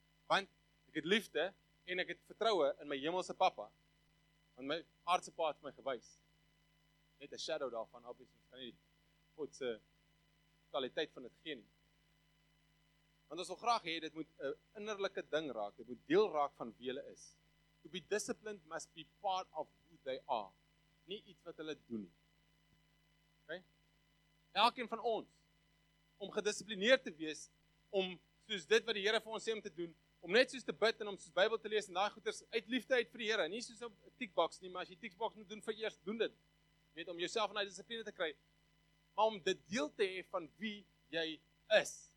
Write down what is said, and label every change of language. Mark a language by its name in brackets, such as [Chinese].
[Afrikaans] Want ek het liefde, en ek het vertrouwe in my hemelse papa, want my aardse pa het my gewys. Net [English] a shadow [Afrikaans] daarvan, obviously, kan nie Godse kwaliteit van het geen. Want ons wil graag hê, dit moet een innerlijke ding raak, dit moet deel raak van wie hulle is. [English] To be disciplined must be part of who they are. [Afrikaans] Nie iets wat hulle doen. Okay? Elkeen van ons, om gedisciplineerd te wees, om soos dit wat die Here vir ons sê om te doen, om net soos te bid en om soos Bybel te lees en daai goeders uit liefde uit vir die Here, nie soos op tickbox nie, maar as jy tickbox moet doen, vir eers doen dit. Net om jouself in die discipline te kry, maar om dit deel te hê van wie jy is.